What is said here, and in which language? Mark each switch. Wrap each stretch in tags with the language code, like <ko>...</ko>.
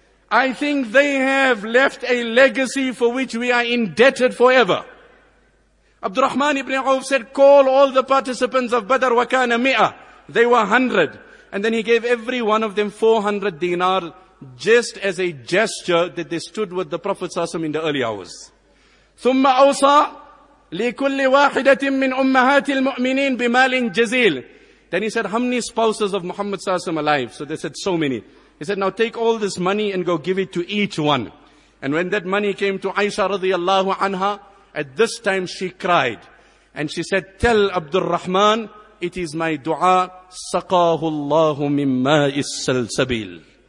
<en>I think they have left a legacy for which we are indebted forever. Abdul Rahman ibn Auf said, call all the participants of Badr,</en> <ar>wa kana mi'a.</ar> <en>They were 100. And then he gave every one of them 400 dinar, just as a gesture that they stood with the Prophet sallallahu alaihi wasallam in the early hours.</en> <ar>Thumma awsa لِكُلِّ وَاحِدَةٍ مِّنْ أُمَّهَاتِ الْمُؤْمِنِينَ بِمَالٍ جَزِيلٍ.</ar> <en>Then he said, how many spouses of Muhammad sallallahu alaihi wasallam alive? So they said, so many. He said, now take all this money and go give it to each one. And when that money came to Aisha radiallahu anha, at this time she cried. And she said, tell Abdul Rahman, it is my dua,</en> <ar>سَقَاهُ اللَّهُ مِنْ مَاءِ السَّلْسَبِيلِ.</ar>